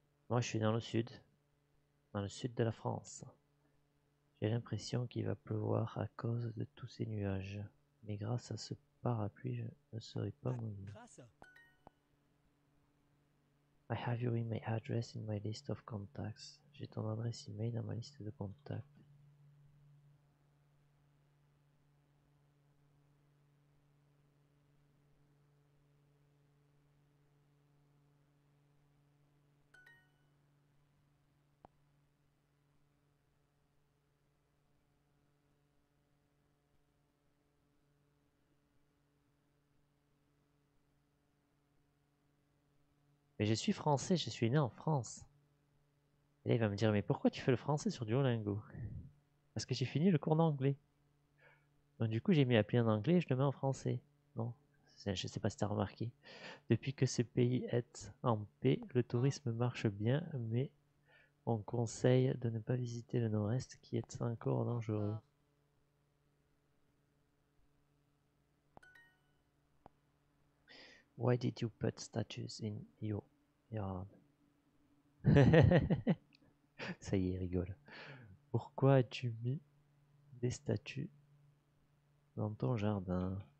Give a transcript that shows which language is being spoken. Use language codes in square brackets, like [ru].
[fr] Moi, je suis dans le sud de la France. J'ai l'impression qu'il va pleuvoir à cause de tous ces nuages. Mais grâce à ce parapluie, je ne serai pas mouillé. [en] I have your email address in my list of contacts. [fr] J'ai ton adresse email dans ma liste de contacts. Mais je suis français, je suis né en France. Et là, il va me dire, mais pourquoi tu fais le français sur Duolingo? Parce que j'ai fini le cours d'anglais. Donc du coup, j'ai mis appli en anglais et je le mets en français. Non, je sais pas si t'as remarqué. Depuis que ce pays est en paix, le tourisme marche bien, mais on conseille de ne pas visiter le nord-est qui est encore dangereux. [en] Why did you put statues in your yard? [fr] Ça y est, rigole. Pourquoi as-tu mis des statues dans ton jardin.